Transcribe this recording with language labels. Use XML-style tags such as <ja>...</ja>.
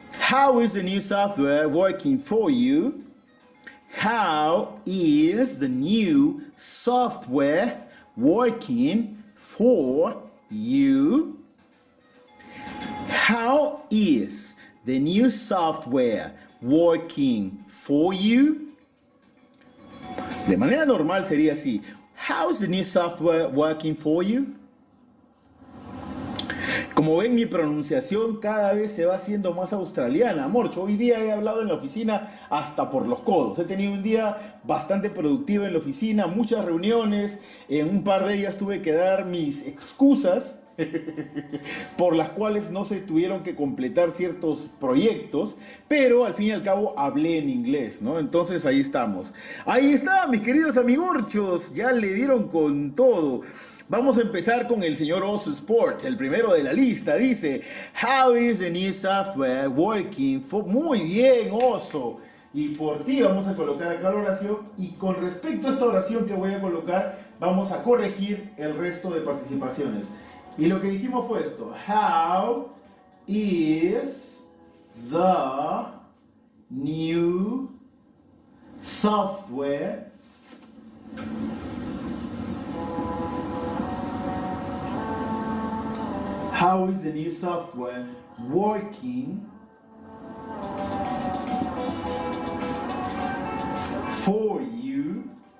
<en>How is the new software working for you? How is the new software working for you? How is the new software working for you?</en> <es>De manera normal sería así.</es> <en>How is the new software working for you?</en> <es>Como ven, mi pronunciación cada vez se va haciendo más australiana, amor. Yo hoy día he hablado en la oficina hasta por los codos. He tenido un día bastante productivo en la oficina, muchas reuniones. En un par de ellas tuve que dar mis excusas por las cuales no se tuvieron que completar ciertos proyectos, pero al fin y al cabo hablé en inglés, ¿no? Entonces ahí estamos. Ahí está, mis queridos amigorchos, ya le dieron con todo. Vamos a empezar con el señor Oso Sports, el primero de la lista. Dice,</es> <en>How is the new software working for?</en> <es>Muy bien, Oso. Y por ti vamos a colocar acá la oración. Y con respecto a esta oración que voy a colocar, vamos a corregir el resto de participaciones. Y lo que dijimos fue esto.</es> <en>How is the new software How is the new software working for you?</en>